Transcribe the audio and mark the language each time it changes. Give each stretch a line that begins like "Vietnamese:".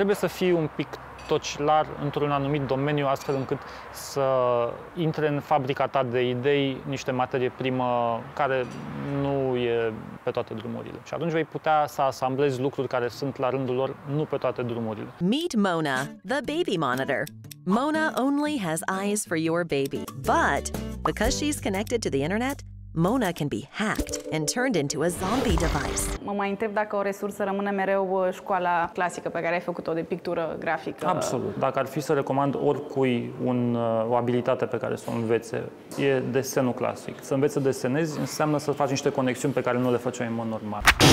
Romanian: Trebuie să fii un pic tocilar într-un anumit domeniu, astfel încât să intre în fabrica ta de idei niște materie primă care nu e pe toate drumurile. Și atunci vei putea să asamblezi lucruri care sunt la rândul lor, nu pe toate drumurile.
English: Meet Mona, the baby monitor. Mona only has eyes for your baby, but because she's connected to the internet, Mona can be hacked and turned into a zombie device.
Romanian: Mă mai întreb dacă o resursă rămâne mereu școala clasică pe care ai făcut-o de pictură grafică. Absolut. Dacă ar fi să recomand oricui o abilitate pe care să o învețe, e desenul clasic. Să înveți să desenezi înseamnă să faci niște conexiuni pe care nu le făceai în mod normal.